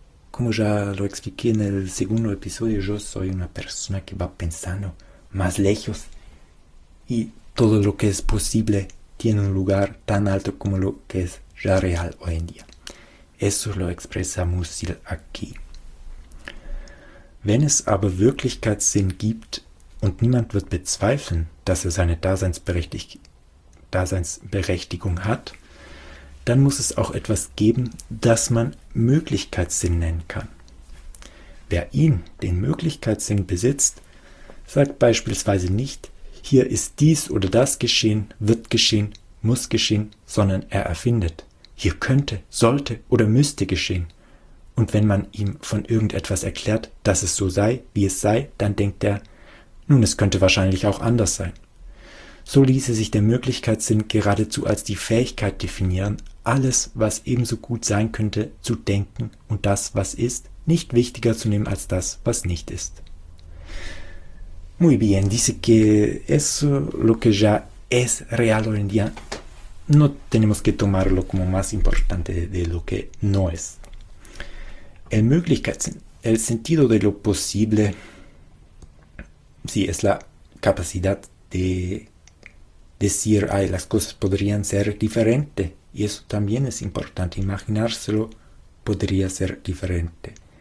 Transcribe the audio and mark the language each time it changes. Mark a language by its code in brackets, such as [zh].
[es] Como ya lo expliqué en el segundo episodio, yo soy una persona que va pensando más lejos y todo lo que es posible tiene un lugar tan alto como lo que es ya real hoy en día. Eso lo expresa Musil aquí. [de] Wenn es aber Wirklichkeitssinn gibt und niemand wird bezweifeln, dass seine Daseinsberechtigung hat, dann muss es auch etwas geben, das man Möglichkeitssinn nennen kann. Wer ihn, den Möglichkeitssinn, besitzt, sagt beispielsweise nicht, hier ist dies oder das geschehen, wird geschehen, muss geschehen, sondern er erfindet, hier könnte, sollte oder müsste geschehen. Und wenn man ihm von irgendetwas erklärt, dass es so sei, wie es sei, dann denkt er, nun, es könnte wahrscheinlich auch anders sein. So ließe sich der Möglichkeitssinn geradezu als die Fähigkeit definieren, alles, was ebenso gut sein könnte, zu denken und das, was ist, nicht wichtiger zu nehmen als das, was nicht ist. [es] Muy bien, dice que eso, lo que ya es real hoy en día, no tenemos que tomarlo como más importante de lo que no es. El Möglichkeitssinn, el sentido de lo posible, sí, es la capacidad de decir, ay, las cosas podrían ser diferentes, y eso también es importante, imaginárselo podría ser diferente.